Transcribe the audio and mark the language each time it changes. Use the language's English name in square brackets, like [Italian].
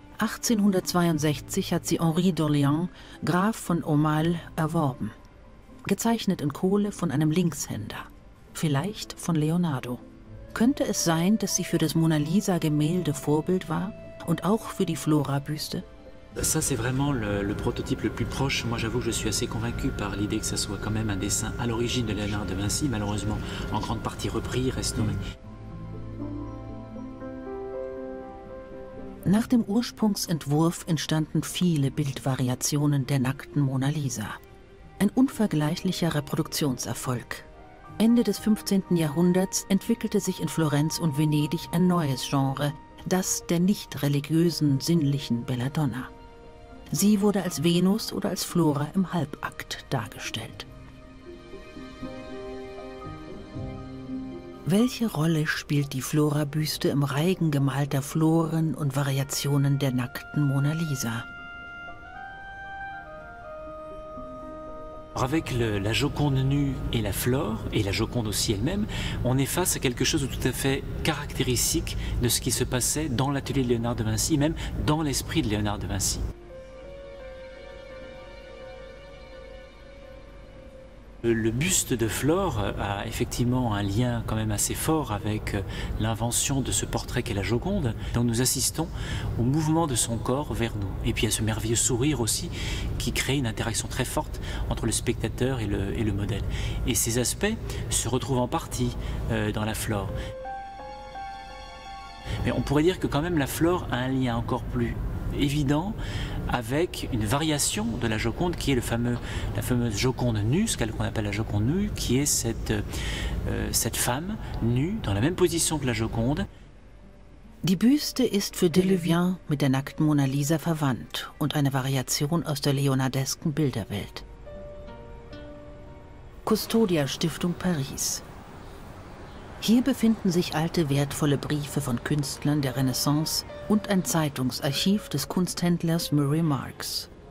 [German] 1862 hat sie Henri d'Orléans, Graf von Aumale, erworben. Gezeichnet in Kohle von einem Linkshänder. Vielleicht von Leonardo. Könnte es sein, dass sie für das Mona Lisa-Gemälde Vorbild war und auch für die Flora-Büste? [French] Ça, c'est vraiment le prototype le plus proche. Moi, j'avoue que je suis assez convaincu par l'idée que ça soit quand même un dessin à l'origine de Léonard de Vinci, malheureusement en grande partie repris, restauré. [German] Nach dem Ursprungsentwurf entstanden viele Bildvariationen der nackten Mona Lisa. Ein unvergleichlicher Reproduktionserfolg. Ende des 15. Jahrhunderts entwickelte sich in Florenz und Venedig ein neues Genre, das der nicht religiösen, sinnlichen Belladonna. Sie wurde als Venus oder als Flora im Halbakt dargestellt. Welche Rolle spielt die Flora-Büste im Reigen gemalter Floren und Variationen der nackten Mona Lisa? [French] Avec la Joconde nue et la Flore, et la Joconde aussi elle-même, on est face à quelque chose de tout à fait caractéristique de ce qui se passait dans l'atelier de Léonard de Vinci, même dans l'esprit de Léonard de Vinci. Le buste de Flore a effectivement un lien quand même assez fort avec l'invention de ce portrait qu'est la Joconde, dont nous assistons au mouvement de son corps vers nous, et puis à ce merveilleux sourire aussi qui crée une interaction très forte entre le spectateur et le modèle. Et ces aspects se retrouvent en partie dans la Flore. Mais on pourrait dire que quand même la Flore a un lien encore plus évident avec une variation de la Joconde qui est la fameuse Joconde nue, ce qu'on appelle la Joconde nue, qui est cette femme nue dans la même position que la Joconde. [German] Die Büste ist für Deluvien mit der nackten Mona Lisa verwandt und eine Variation aus der leonardesken Bilderwelt. Custodia Stiftung Paris. Hier befinden sich alte wertvolle Briefe von Künstlern der Renaissance und ein Zeitungsarchiv des Kunsthändlers Murray Marks.